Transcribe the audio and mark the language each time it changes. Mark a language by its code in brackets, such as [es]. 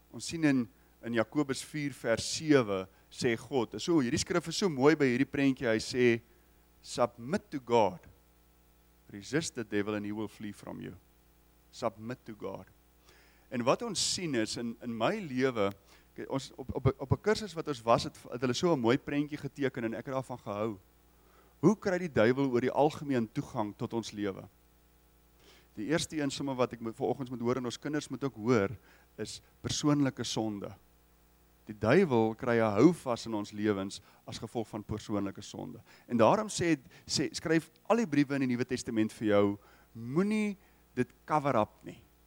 [af] Ons sien in Jakobus 4 vers 7, sê God, so hierdie skrif is so mooi by hierdie prentjie, hy sê, [en] submit to God, resist the devil and he will flee from you. Submit to God. [af] En wat ons sien is, in my lewe, ons op 'n kursus wat ons was, het hulle so 'n mooi prentjie geteken en ek het daarvan gehou. Hoe kry die duivel oor die algemeen toegang tot ons lewe? Die eerste een somme wat ek vanoggends moet hoor en ons kinders moet ook hoor, is persoonlike sonde. Die duivel kry 'n houvas in ons lewens as gevolg van persoonlike sonde. En daarom sê skryf al die briewe in die Nuwe Testament vir jou, moenie dit cover up nie.